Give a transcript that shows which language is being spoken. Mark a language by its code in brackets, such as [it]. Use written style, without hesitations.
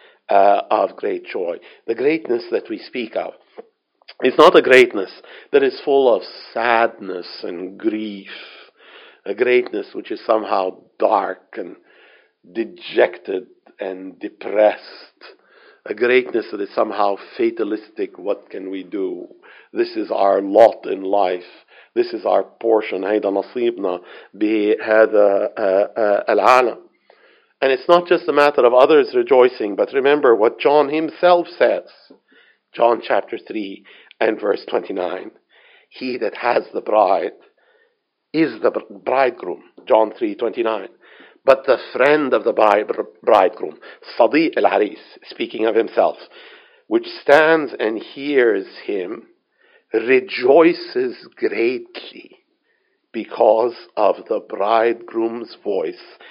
[en] The greatness that we speak of, it's not a greatness that is full of sadness and grief, a greatness which is somehow dark and dejected and depressed, a greatness that is somehow fatalistic. What can we do? This is our lot in life. This is our portion. [ar] هيدا نصيبنا بهذا العالم. [en] And it's not just a matter of others rejoicing, but remember what John himself says. John chapter 3. And verse 29, he that has the bride is the bridegroom, John 3:29. But the friend of the bridegroom, Sadi al-Aris, speaking of himself, which stands and hears him, rejoices greatly because of the bridegroom's voice.